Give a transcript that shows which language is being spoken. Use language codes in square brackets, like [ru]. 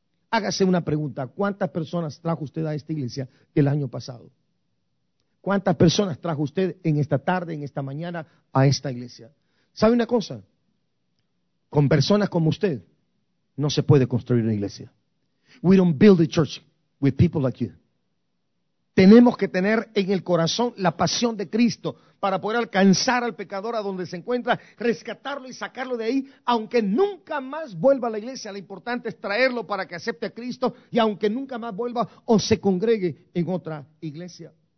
[es] Hágase una pregunta, ¿cuántas personas trajo usted a esta iglesia el año pasado? ¿Cuántas personas trajo usted en esta tarde, en esta mañana a esta iglesia? ¿Sabe una cosa? Con personas como usted, no se puede construir una iglesia. [en] We don't build a church with people like you. [es] Tenemos que tener en el corazón la pasión de Cristo para poder alcanzar al pecador a donde se encuentra, rescatarlo y sacarlo de ahí, aunque nunca más vuelva a la iglesia. Lo importante es traerlo para que acepte a Cristo y aunque nunca más vuelva o se congregue en otra iglesia.